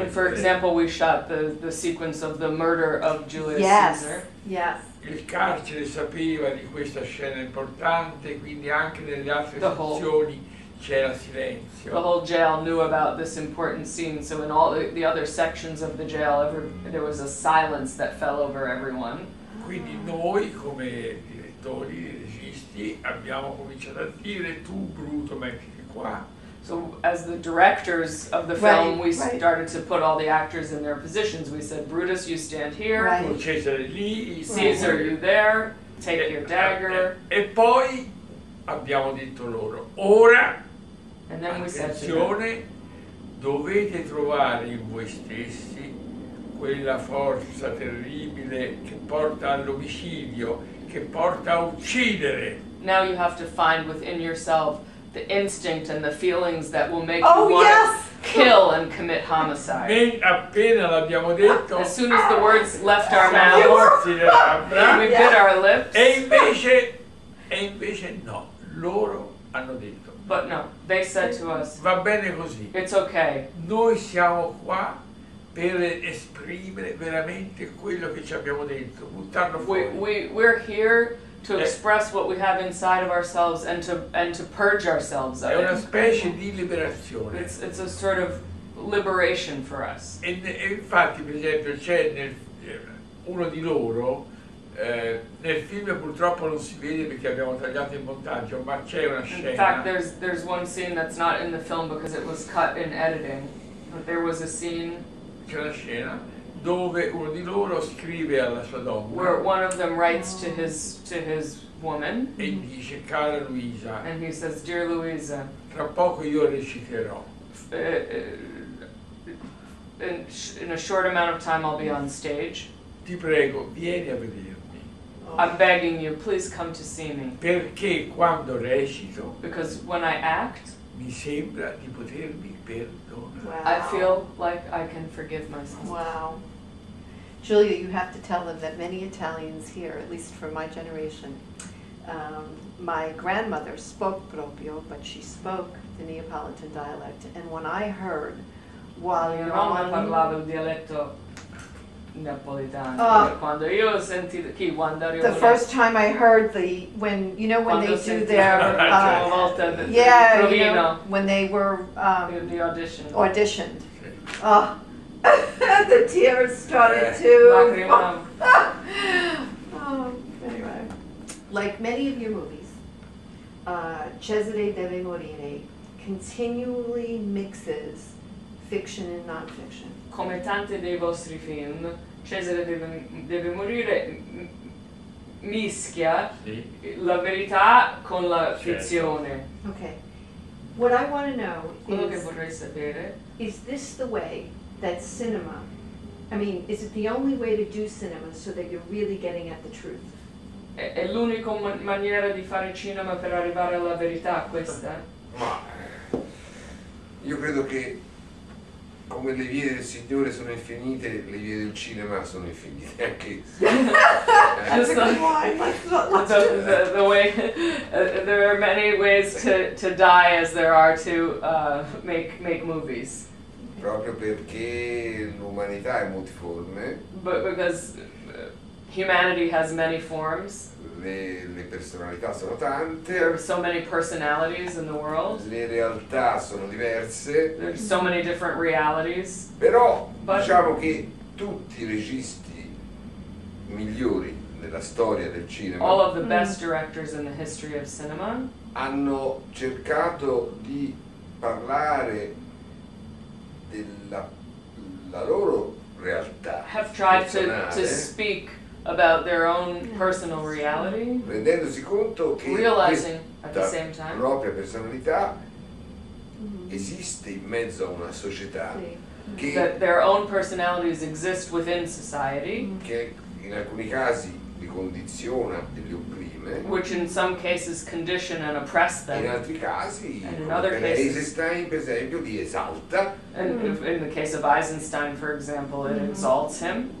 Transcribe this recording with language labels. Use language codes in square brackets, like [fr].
[en] When, for example, we shot the sequence of the murder of Julius Caesar. Yes. [it] Il carcere sapeva di questa scena importante, quindi anche nelle altre sezioni c'era silenzio. [en] The whole jail knew about this important scene, so in all the other sections of the jail, there was a silence that fell over everyone. [it] Quindi noi, come direttori, registi, abbiamo cominciato a dire, tu Bruto, mettiti qua. [en] So as the directors of the film, right, we right. started to put all the actors in their positions. We said, Brutus, you stand here. Right. [it] Cesare lì. [en] Caesar, right. you there. Take your dagger. [it] E poi abbiamo detto loro, ora, [en] and then [it] attenzione, dovete trovare in voi stessi quella forza terribile che porta all'omicidio, che porta a uccidere. [en] Now you have to find within yourself the instinct and the feelings that will make oh, you want yes. to kill and commit homicide. [it] Me, appena l'abbiamo detto, [en] as soon as the words left our mouth, we bit our lips. [it] E invece no, loro hanno detto. [en] But no, they said to us, [it] va bene così. [en] It's okay. [it] Noi siamo qua per esprimere veramente quello che ci abbiamo dentro, buttarlo fuori. [en] We're here to express what we have inside of ourselves and to purge ourselves of it. [it] È una specie di liberazione. [en] It's a sort of liberation for us. [it] E infatti, per esempio, c'è nel uno di loro, nel film purtroppo non si vede perché abbiamo tagliato il montaggio, ma c'è una scena. [en] In fact, there's one scene that's not in the film because it was cut in editing, but there was a scene. [it] C'è una scena dove uno di loro scrive alla sua donna. [en] Where one of them writes to his woman. [it] E dice, cara Luisa. [en] And he says, dear Luisa. [it] Tra poco io reciterò. [en] In a short amount of time I'll be on stage. [it] Ti prego, vieni a vedermi. [en] I'm begging you, please come to see me. [it] Perché quando recito. [en] Because when I act. [it] Mi sembra di potermi perdonare. [en] Wow. I feel like I can forgive myself. Wow. Julia, you have to tell them that many Italians here, at least from my generation, my grandmother spoke proprio, but she spoke the Neapolitan dialect. And when I heard, while your mamma [it] parlava il dialetto napoletano, quando io senti chi quando [en] the first time I heard the when you know when [it] quando [en] they do their [it] volta [en] yeah the you know, when they were the audition auditioned oh the tears started to anyway, like many of your movies, Cesare deve morire continually mixes fiction and nonfiction. [it] Come tante dei vostri film, Cesare deve morire mischia sì. la verità con la fizione. Certo. [en] Okay. What I want to know [it] quello [en] is, [it] che vorrei sapere, [en] is this the way that cinema, I mean, is it the only way to do cinema so that you're really getting at the truth? [it] È l'unica maniera di fare cinema per arrivare alla verità, questa? Ma io credo che come le vie del Signore sono infinite, le vie del cinema sono infinite anche. [en] Just like the way there are many ways to die as there are to make movies. [it] Proprio perché l'umanità è multiforme. [en] But because humanity has many forms. [it] Le personalità sono tante. [en] There are so many personalities in the world. [it] Le realtà sono diverse. [en] There are so many different realities. [it] Però [en] but [it] diciamo che tutti i registi migliori nella storia del cinema, [en] all of the best directors in the history of cinema, [it] hanno cercato di parlare della la loro realtà. [en] Have tried to speak about their own personal reality, [it] rendendosi conto che [en] realizing at the same time [it] propria personalità esiste in mezzo a una società che [en] that their own personalities exist within society, [it] che in alcuni casi li condiziona e li opprime, [en] which in some cases condition and oppress them, [it] in altri casi [en] and in other cases [it] Eisenstein per esempio li esalta, [en] and in the case of Eisenstein for example it exalts him